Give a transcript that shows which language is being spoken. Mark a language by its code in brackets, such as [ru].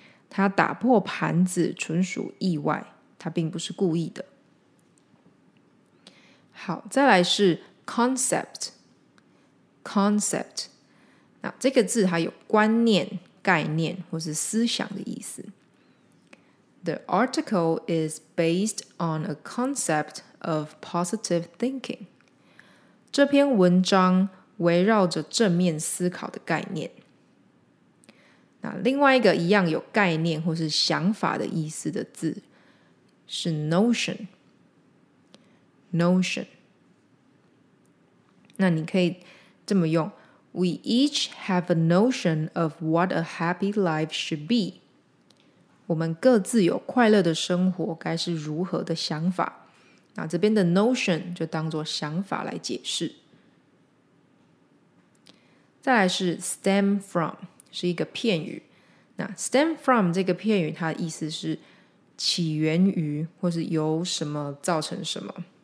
[zh] 他打破盘子纯属意外，他并不是故意的。好，再来是 concept。concept。那这个字还有观念、概念或是思想的意思。 [en] The article is based on a concept of positive thinking. [zh] 这篇文章围绕着正面思考的概念。那另外一个一样有概念或是想法的意思的字是 notion。Notion。那你可以这么用。 [en] We each have a notion of what a happy life should be. [zh] 我们各自有快乐的生活该是如何的想法。那这边的 notion 就当作想法来解释。再来是 stem from, 是一个片语。那 stem from 这个片语它的意思是起源于或是由什么造成什么。